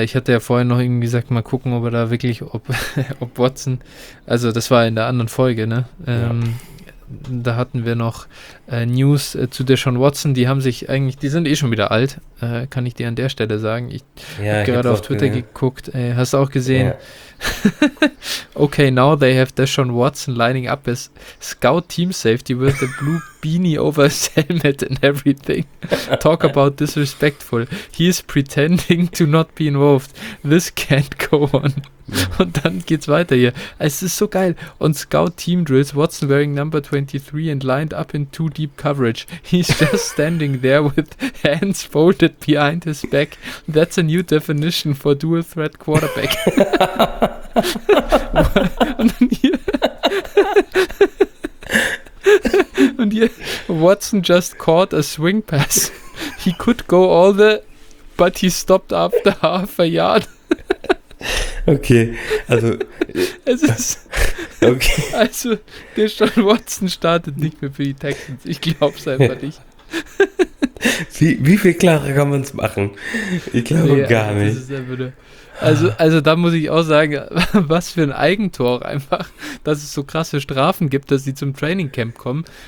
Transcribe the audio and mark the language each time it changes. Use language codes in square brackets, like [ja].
[de] Ich hatte ja vorhin noch irgendwie gesagt, mal gucken, ob er da wirklich, ob Watson, also das war in der anderen Folge, ne? da hatten wir noch News zu Deshaun Watson. Die haben sich eigentlich, die sind eh schon wieder alt, kann ich dir an der Stelle sagen. Ich ja, habe gerade auf Twitter geguckt. Hast du auch gesehen? Ja. [en] Okay, now they have Deshaun Watson lining up as scout team safety with a blue beanie over his helmet and everything. Talk about disrespectful. He is pretending to not be involved. This can't go on. [de] Und dann geht's weiter hier. Es ist so geil. [en] Und Scout Team Drills, Watson wearing number 23 and lined up in two deep coverage. He's just standing there with hands folded behind his back. That's a new definition for dual threat quarterback. [de] Und dann hier. Und hier, [en] Watson just caught a swing pass. He could go all the, but he stopped after half a yard. [de] Okay, also. Es ist. Okay. Also, der Sean Watson startet nicht mehr für die Texans. Ich glaub's einfach nicht. Wie viel klarer kann man's machen? Ich glaube gar nicht. Das ist Also, da muss ich auch sagen, was für ein Eigentor einfach, dass es so krasse Strafen gibt, dass sie zum Training Camp kommen.